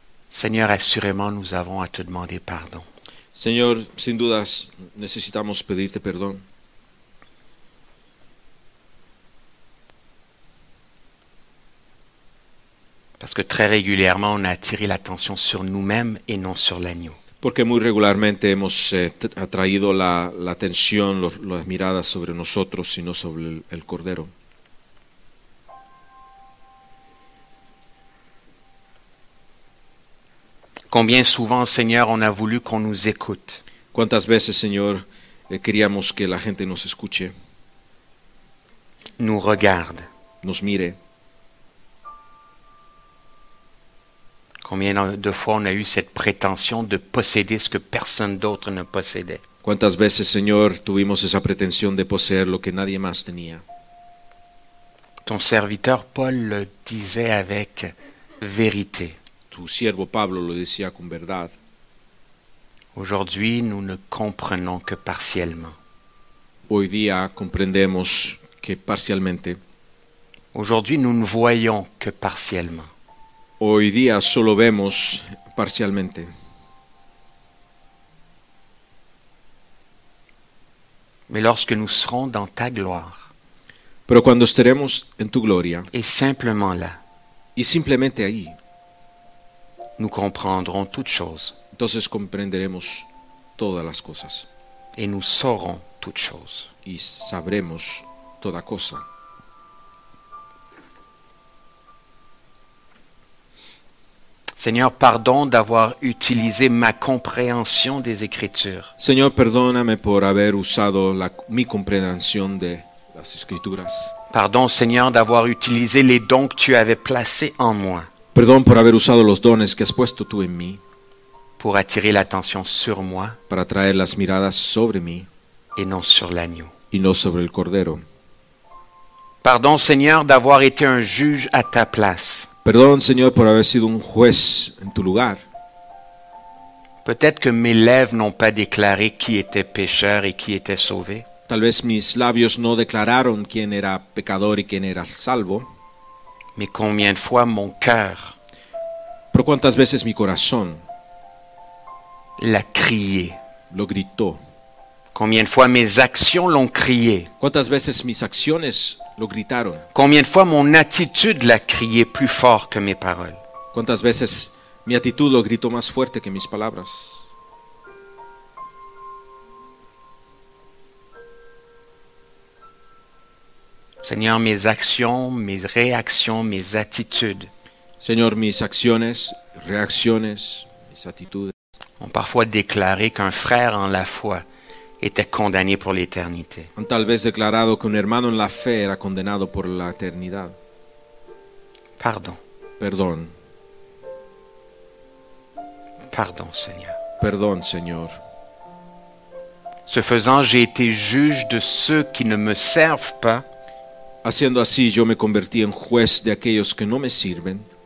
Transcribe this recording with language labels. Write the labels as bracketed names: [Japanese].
[French] Seigneur, assurément, nous avons à te demander pardon. [Spanish] Señor, sin dudas, necesitamos pedirte perdón. [French] Parce que très régulièrement, on a attiré l'attention sur nous-mêmes et non sur l'agneau. [Spanish] Porque muy regularmente hemos atraído la atención, las miradas sobre nosotros y no sobre el cordero. [French] Combien souvent, Seigneur, on a voulu qu'on nous écoute. [Spanish] ¿Cuántas veces, Señor, queríamos que la gente nos escuche? [French] nous regarde. [Spanish] Nos mire. [French] Combien de fois on a eu cette prétention de posséder ce que personne d'autre ne possédait. [Spanish] ¿Cuántas veces, Señor, tuvimos esa pretensión de poseer lo que nadie más tenía? [French] Ton serviteur Paul le disait avec vérité. [Spanish] Tu siervo Pablo lo decía con verdad. [French] Aujourd'hui, nous ne comprenons que partiellement. [Spanish] Hoy día comprendemos que parcialmente. [French] Aujourd'hui, nous ne voyons que partiellement. [Spanish] Hoy día solo vemos parcialmente. [French] Mais lorsque nous serons dans ta gloire. [Spanish] Pero cuando estaremos en tu gloria. [French] Et simplement là. [Spanish] Y simplemente ahí. [French] Nous comprendrons toutes choses. [Spanish] Entonces comprenderemos todas las cosas. [French] Et nous saurons toutes choses. [Spanish] Y sabremos toda cosa. [French] Seigneur, pardon d'avoir utilisé ma compréhension des Écritures. [Spanish] Señor, perdóname por haber usado mi comprensión de las Escrituras. [French] Pardon, Seigneur, d'avoir utilisé les dons que tu avais placés en moi. [Spanish] Perdón por haber usado los dones que has puesto tú en mí. [French] Pour attirer l'attention sur moi. [Spanish] Para atraer las miradas sobre mí. [French] Et non sur l'agneau. [Spanish] Y no sobre el cordero. [French] Pardon, Seigneur, d'avoir été un juge à ta place. [Spanish] Perdón, Señor, por haber sido un juez en tu lugar. [French] Peut-être que mes lèvres n'ont pas déclaré qui était pécheur et qui était sauvé. [Spanish] Tal vez mis labios no declararon quién era pecador y quién era salvo. [French] Mais combien de fois mon cœur. [Spanish] Pero cuántas veces mi corazón. [French] L'a crié. [Spanish] Lo gritó. [French] Combien de fois mes actions l'ont crié. [Spanish] Cuántas veces mis acciones. Lo gritaron. [French] Combien de fois mon attitude l'a crié plus fort que mes paroles. [Spanish] ¿Cuántas veces mi actitud lo gritó más fuerte que mis palabras? Señor, mis acciones, mis reacciones, mis actitudes. Señor, mis acciones, reacciones, mis actitudes. [French] Ont parfois déclaré qu'un frère en la foi était condamné pour l'éternité. [Spanish] Han tal vez declarado que un hermano en la fe era condenado por la eternidad. [French] Pardon. [Spanish] Perdón. [French] Pardon, Seigneur. [Spanish] Perdón, Señor. [French] Ce faisant, j'ai été juge de ceux qui ne me servent pas. [Spanish] Haciendo así, yo me convertí en juez de aquellos que no me sirven.